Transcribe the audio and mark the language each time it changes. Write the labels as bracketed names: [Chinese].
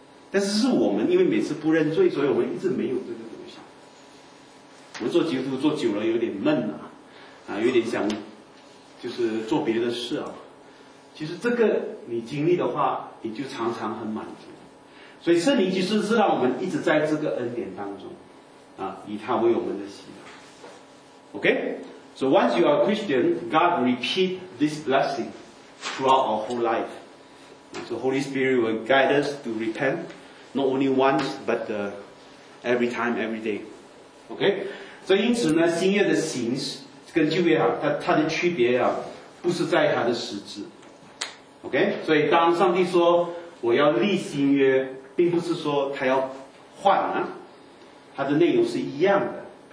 [Chinese] 但是是我们，因为每次不认罪，所以我们一直没有这个。我们做基督徒做久了有点闷啊，有点想就是做别的事啊。其实这个你经历的话，你就常常很满足。所以圣灵其实是让我们一直在这个恩典当中啊，以他为我们的喜乐。 [English] OK， so once you are Christian, God repeat this blessing throughout our whole life. So Holy Spirit will guide us to repent, not only once but every time, every day. [Chinese] OK， 所以因此呢，新约的形式跟旧约啊，它的区别啊，不是在它的实质。 OK， 所以当上帝说我要立新约，并不是说他要换啊，它的内容是一样的。